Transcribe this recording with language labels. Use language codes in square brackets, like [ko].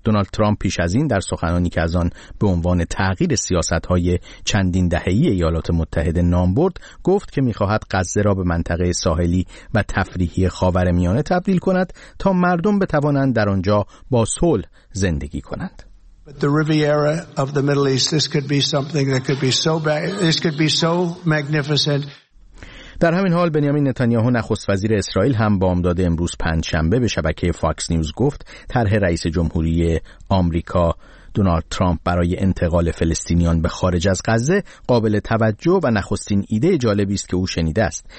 [fa] دونالد ترامپ پیش از این در سخنانی که از آن به عنوان تغییر سیاست‌های چندین دهه‌ای ایالات متحده نام برد، گفت که می‌خواهد غزه را به منطقه ساحلی و تفریحی خاورمیانه تبدیل کند تا مردم بتوانند در آنجا با صلح زندگی کنند. [en] But the Riviera of the Middle East, this could be something that could be so bad, this could be so magnificent. [fa] در همین حال بنیامین نتانیاهو نخست وزیر اسرائیل هم بامداد امروز پنجشنبه به شبکه فاکس نیوز گفت طرح رئیس جمهوری آمریکا دونالد ترامپ برای انتقال فلسطینیان به خارج از غزه قابل توجه و نخستین ایده جالبی است که او شنیده است.